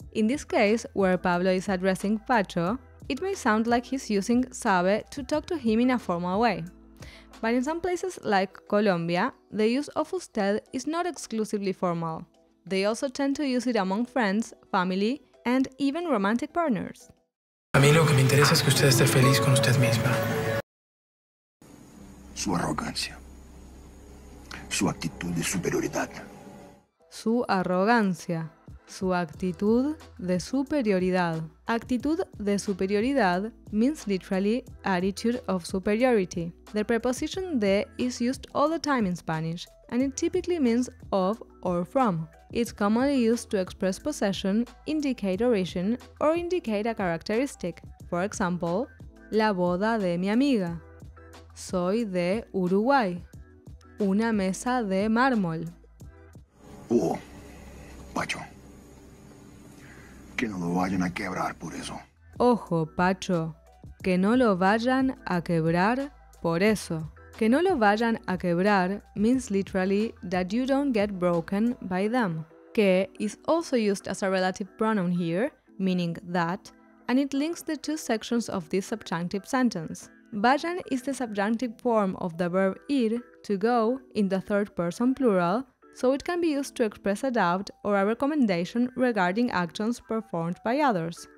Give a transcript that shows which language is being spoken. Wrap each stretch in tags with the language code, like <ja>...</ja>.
<en>In this case, where Pablo is addressing Pacho, it may sound like he's using sabe to talk to him in a formal way. But in some places like Colombia, the use of usted is not exclusively formal. They also tend to use it among friends, family, and even romantic partners.</en> <es>A mí lo que me interesa es que usted esté feliz con usted misma. Su arrogancia. Su actitud de superioridad. Su arrogancia. Su actitud de superioridad. Actitud de superioridad</es> <en>means literally attitude of superiority. The preposition de is used all the time in Spanish, and it typically means of or from. It's commonly used to express possession, indicate origin, or indicate a characteristic. For example,</en> <es>la boda de mi amiga. Soy de Uruguay. Una mesa de mármol. Oh, Pacho. Que no lo vayan a quebrar por eso. Ojo, Pacho. Que no lo vayan a quebrar por eso. Que no lo vayan a quebrar</es> <en>means literally that you don't get broken by them. Que is also used as a relative pronoun here, meaning that, and it links the two sections of this subjunctive sentence. Vayan is the subjunctive form of the verb ir, to go, in the third person plural, so it can be used to express a doubt or a recommendation regarding actions performed by others.</en>